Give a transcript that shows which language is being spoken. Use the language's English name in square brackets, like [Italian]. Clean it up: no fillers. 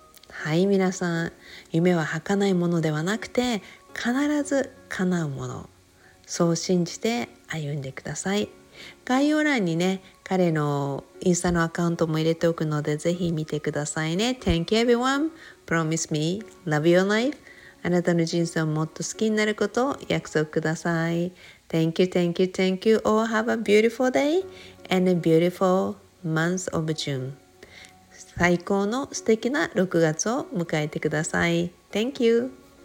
[Japanese] はい、皆さん、夢は儚いものではなくて必ず叶うもの、そう信じて歩んでください。概要欄にね、彼のインスタのアカウントも入れておくので、ぜひ見てくださいね。 [English] Thank you everyone. Promise me. Love your life. [Japanese] あなたの人生をもっと好きになることを約束ください。 [English] Thank you, thank you, thank you. All have a beautiful day and a beautiful month of June. [Japanese] 最高の素敵な6月を迎えてください。 Thank you.